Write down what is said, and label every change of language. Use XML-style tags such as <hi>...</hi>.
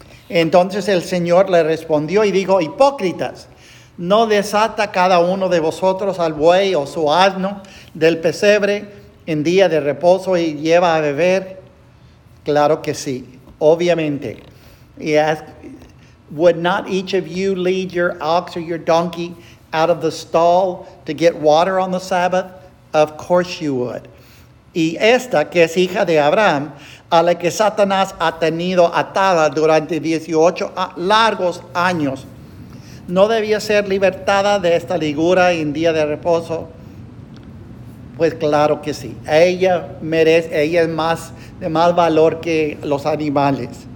<es>Entonces el Señor le respondió y dijo, hipócritas, ¿no desata cada uno de vosotros al buey o su asno del pesebre en día de reposo y lleva a beber? Claro que sí, obviamente.</es> <en>He asked, would not each of you lead your ox or your donkey out of the stall to get water on the Sabbath? Of course you would.</en> <es>Y esta, que es hija de Abraham, a la que Satanás ha tenido atada durante 18 largos años, ¿no debía ser libertada de esta ligura en día de reposo? Pues claro que sí. Ella merece, ella es más, de más valor que los animales.</es>